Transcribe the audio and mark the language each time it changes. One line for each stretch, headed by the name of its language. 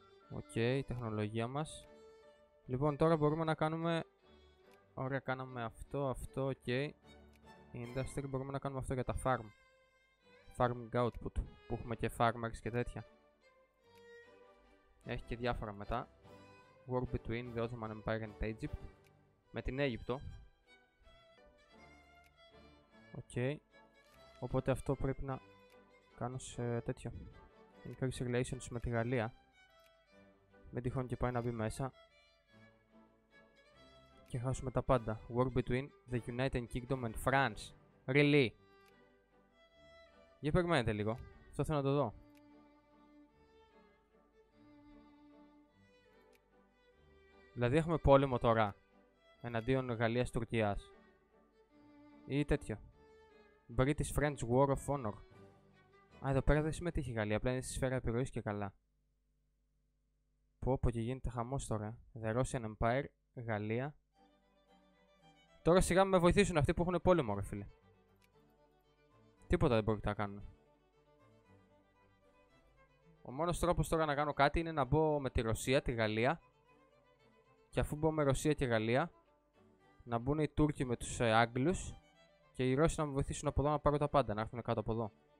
Greek: Οκ, η τεχνολογία μας. Λοιπόν, τώρα μπορούμε να κάνουμε... Ωραία, κάναμε αυτό, αυτό, οκ. Industry, μπορούμε να κάνουμε αυτό για τα farm. Farming output, που έχουμε και farmers και τέτοια. Έχει και διάφορα μετά.
English: War between the Ottoman Empire and Egypt.
Greek: Με την Αίγυπτο. Οκ. Οπότε αυτό πρέπει να κάνω σε τέτοιο. Increase relations με τη Γαλλία. Μην τυχόν και πάει να μπει μέσα και χάσουμε τα πάντα.
English: War between the United Kingdom and France.
Greek: Really? Για περιμένετε λίγο. Αυτό θέλω να το δω. Δηλαδή έχουμε πόλεμο τώρα εναντίον Γαλλίας-Τουρκίας. Ή τέτοιο.
English: British French War of Honor.
Greek: Α, εδώ πέρα δεν συμμετείχε η Γαλλία. Απλά είναι στη σφαίρα επιρροής και καλά. Πω πω και γίνεται χαμός τώρα.
English: The Russian Empire, Γαλλία.
Greek: Τώρα σιγά με βοηθήσουν αυτοί που έχουν πόλεμο, ρε φίλε. Τίποτα δεν πρόκειται να κάνουν. Ο μόνος τρόπος τώρα να κάνω κάτι είναι να μπω με τη Ρωσία, τη Γαλλία. Και αφού μπω με Ρωσία και Γαλλία, να μπουν οι Τούρκοι με τους Άγγλους και οι Ρώσοι να με βοηθήσουν από εδώ να πάρω τα πάντα, να έρθουν κάτω από εδώ.